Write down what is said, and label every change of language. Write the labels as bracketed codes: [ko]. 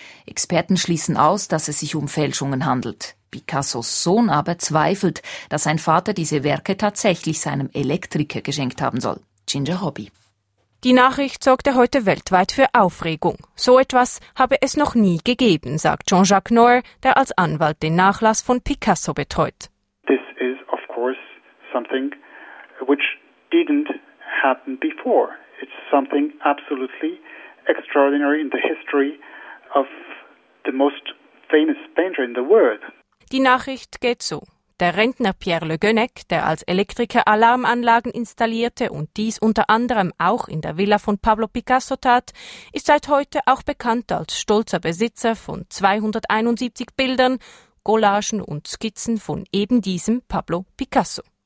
[de] Experten schließen aus, dass es sich um Fälschungen handelt. Picassos Sohn aber zweifelt, dass sein Vater diese Werke tatsächlich seinem Elektriker geschenkt haben soll. Ginger Hobby. Die Nachricht sorgte heute weltweit für Aufregung. So etwas habe es noch nie gegeben, sagt Jean-Jacques Noir, der als Anwalt den Nachlass von Picasso betreut. [en] This is of course something which didn't happen before. It's something absolutely extraordinary in the history of the most famous painter in the world. [de] Die Nachricht geht so. Der Rentner Pierre Le Gonec, der als Elektriker Alarmanlagen installierte und dies unter anderem auch in der Villa von Pablo Picasso tat, ist seit heute auch bekannt als stolzer Besitzer von 271 Bildern, Collagen und Skizzen von eben diesem Pablo Picasso.